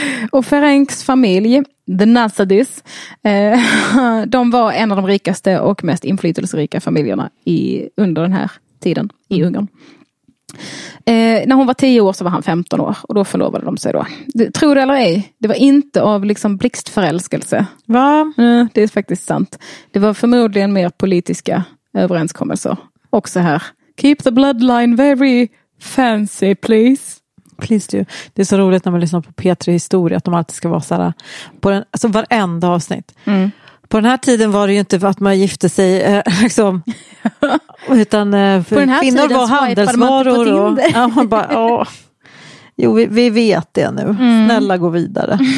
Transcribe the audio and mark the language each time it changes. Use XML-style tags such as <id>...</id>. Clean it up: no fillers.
<sv>Och Ferencs familj, The Nasadis, de var en av de rikaste och mest inflytelserika familjerna under den här tiden i Ungern. När hon var 10 år så var han 15 år och då förlovade de sig då. Tror det eller ej, det var inte av liksom blixtförälskelse. Va? Det är faktiskt sant. Det var förmodligen mer politiska överenskommelser. Också här.</sv> <en>Keep the bloodline very fancy, please. Please do.</en> <sv>Det är så roligt när man lyssnar på Petri historia att de alltid ska vara så här på den, alltså varenda avsnitt. Mm. På den här tiden var det ju inte för att man gifte sig liksom, utan för kvinnor var handelsvaror. Och, ja, man bara, jo, vi vet det nu. Snälla gå vidare.</sv>